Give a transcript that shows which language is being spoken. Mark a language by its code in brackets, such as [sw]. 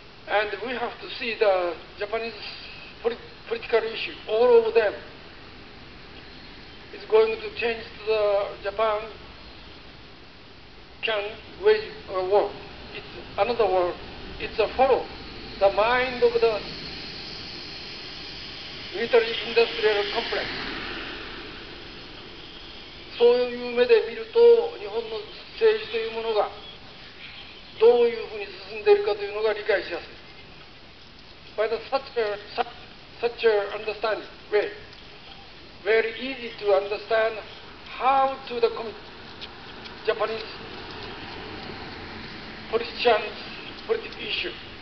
[en] And we have to see the Japanese political issue, all of them, is going to change to the Japan can wage a war. It's another war. It's a follow the mind of the military-industrial complex. [ja] そういう目で見ると、日本の政治というものがどういうふうに進んでいるかというのが理解しやすい。 [en] By the such a understanding way, very easy to understand how to the Japanese politicians' political issue.